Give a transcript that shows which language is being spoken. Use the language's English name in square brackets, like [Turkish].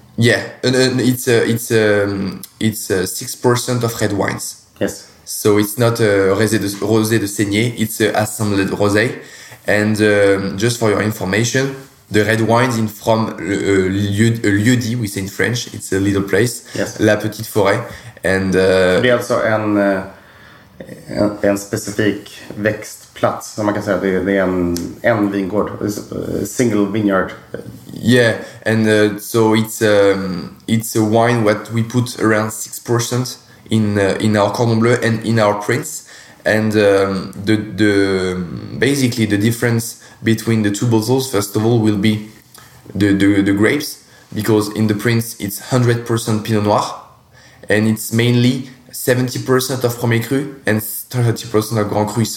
[English] Yeah, and it's 6% of red wines. Yes. So it's not a rosé de saigné, it's an assembled rosé. And just for your information, the red wines in from Lieu-Dit, we say in French, it's a little place. Yes. La Petite Forêt. And they also and [Swedish] en specific växtplats, som man kan säga, det är en vingård, [English] a single vineyard. Yeah, and so it's a wine what we put around 6% in our Cordon Bleu and in our Prince, and the basically the difference between the two bottles, first of all, will be the grapes, because in the Prince it's 100% Pinot Noir, and it's mainly 70% of Premier Cru and 30% of Grand Cru.